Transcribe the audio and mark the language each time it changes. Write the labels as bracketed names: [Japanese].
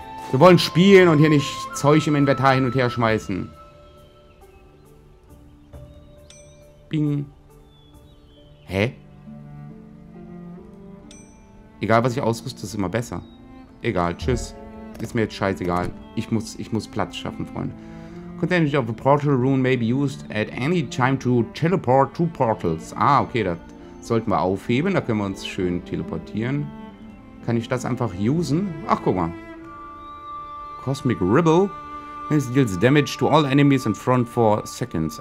[German] Wir wollen spielen und hier nicht Zeug im Inventar hin und her schmeißen. Bing. Hä? Egal, was ich ausrüste, ist immer besser. Egal, tschüss. Ist mir jetzt scheißegal. Ich muss Platz schaffen, Freunde. [English] Containment of a portal rune may be used at any time to teleport to portals. [German] Ah, okay, das sollten wir aufheben. Da können wir uns schön teleportieren. Kann ich das einfach usen? Ach, guck mal. Cosmic Ribble. [English] It deals damage to all enemies in front for seconds.